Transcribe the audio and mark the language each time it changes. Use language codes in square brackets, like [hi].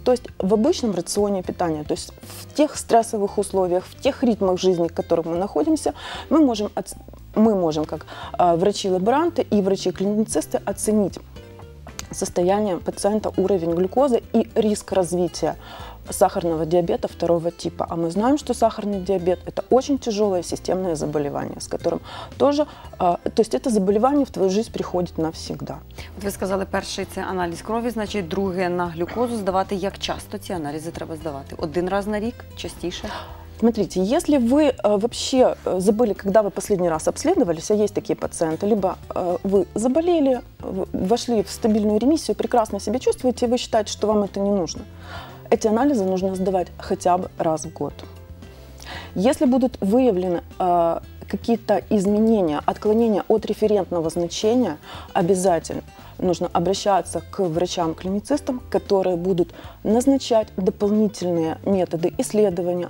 [ru] То есть в обычном рационе питания, то есть в тех стрессовых условиях, в тех ритмах жизни, в которых мы находимся, мы можем как врачи-лаборанты и врачи-клиницисты оценить состояние пациента, уровень глюкозы и риск развития сахарного диабета второго типа. А мы знаем, что сахарный диабет – это очень тяжелое системное заболевание, с которым тоже… То есть это заболевание в твою жизнь приходит навсегда. [uk] От ви сказали, перший – це аналіз крові, значить, друге – на глюкозу здавати. Як часто ці аналізи треба здавати? Один раз на рік? Частіше? [ru] Смотрите, если вы вообще забыли, когда вы последний раз обследовались, а есть такие пациенты, либо вы заболели, вошли в стабильную ремиссию, прекрасно себя чувствуете, и вы считаете, что вам это не нужно. Эти анализы нужно сдавать хотя бы раз в год. Если будут выявлены какие-то изменения, отклонения от референтного значения, обязательно нужно обращаться к врачам-клиницистам, которые будут назначать дополнительные методы исследования.